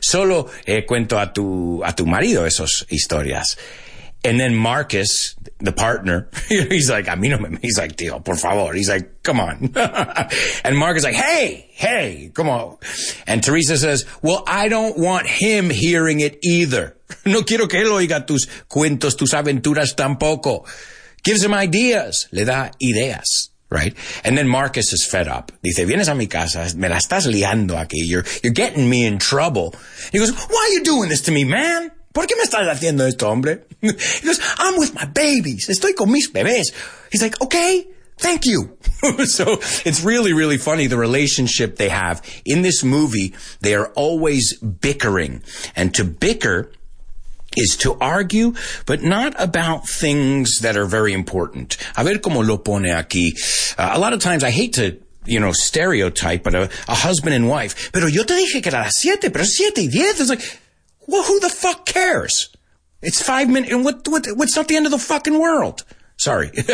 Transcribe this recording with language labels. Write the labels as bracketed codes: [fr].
[es] Solo cuento a tu marido esas historias. [en] And then Marcus, the partner, he's like, [es] a mí no me, [en] he's like, [es] tío, por favor. [en] He's like, come on. And Marcus like, hey, come on. And Teresa says, well, I don't want him hearing it either. [es] No quiero que él oiga tus cuentos, tus aventuras tampoco. [en] Gives him ideas. [es] Le da ideas, [en] right? And then Marcus is fed up. [es] Dice, vienes a mi casa, me la estás liando aquí. [en] You're getting me in trouble. He goes, why are you doing this to me, man? [es] ¿Por qué me estás haciendo esto, hombre? [en] He goes, I'm with my babies. [es] Estoy con mis bebés. [en] He's like, okay, thank you. So it's really, really funny, the relationship they have. In this movie, they are always bickering. And to bicker is to argue, but not about things that are very important. [es] A ver cómo lo pone aquí. [en] A lot of times, I hate to, you know, stereotype, but a husband and wife. [es] Pero yo te dije que era las siete, pero siete y diez. [en] It's like... Well, who the fuck cares? It's 5 minutes, and what's not the end of the fucking world? Sorry.